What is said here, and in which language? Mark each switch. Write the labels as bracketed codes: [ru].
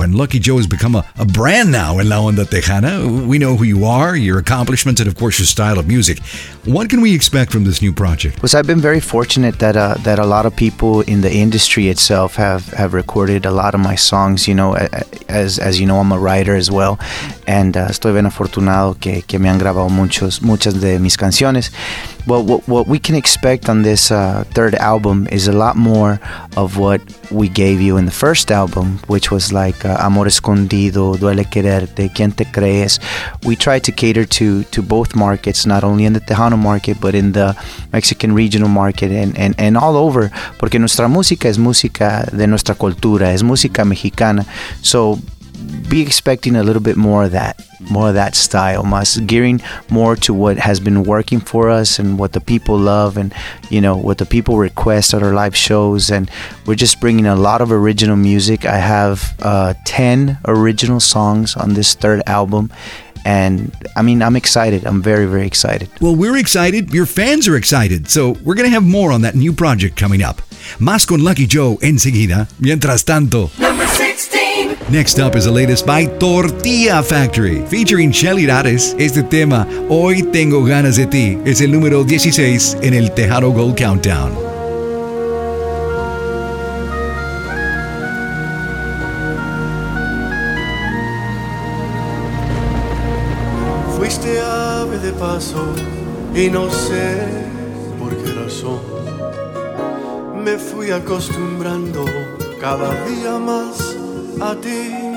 [en] And Lucky Joe has become a brand now in La Onda Tejana. We know who you are, your accomplishments, and of course your style of music. What can we expect from this new project? Well, I've been very fortunate that that a lot of people in the industry itself have recorded a lot of my songs. You know, as you know, I'm a writer as well. [es] And estoy bien afortunado que me han grabado muchas de mis canciones. [en] Well, what we can expect on this third album is a lot more of what we gave you in the first album, which was like Amor Escondido, Duele Quererte, Quien Te Crees. We tried to cater to both markets, not only in the Tejano market, but in the Mexican regional market and all over, [es] porque nuestra música es música de nuestra cultura, es música mexicana. [en] So be expecting a little bit more of that style, más gearing more to what has been working for us and what the people love and, you know, what the people request at our live shows. And we're just bringing a lot of original music. I have 10 original songs on this third album. And I mean, I'm excited. I'm very, very excited. Well, we're excited. Your fans are excited. So we're going to have more on that new project coming up. [es] Más con Lucky Joe enseguida. Mientras tanto. [en] Number 16. Next up is the latest by Tortilla Factory, featuring Shelly Rares. [es] Este tema, Hoy Tengo Ganas de Ti, es el número 16 en el Tejano Gold Countdown. Fuiste ave de paso y no sé por qué razón me fui acostumbrando cada día más a ti.